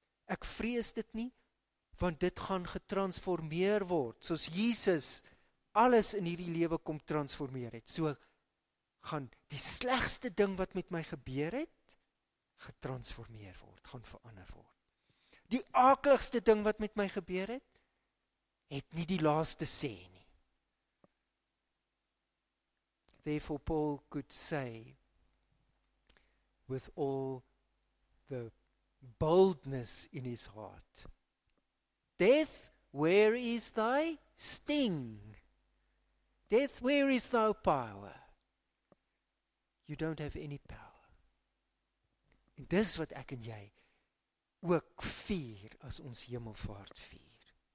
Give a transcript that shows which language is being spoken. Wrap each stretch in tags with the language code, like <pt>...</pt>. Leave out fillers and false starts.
<af>Ek vrees dit nie, want dit gaan getransformeer word, soos Jesus alles in hierdie lewe kom transformeer het. So gaan die slegste ding wat met my gebeur het, getransformeer word, gaan verander word. Die akeligste ding wat met my gebeur het, het nie die laaste sê nie.</af> <en>Therefore Paul could say, with all the boldness in his heart, death, where is thy sting? Death, where is thy power? You don't have any power.</en> <af>En dis wat ek en jy ook vier as ons hemelvaart vier.</af>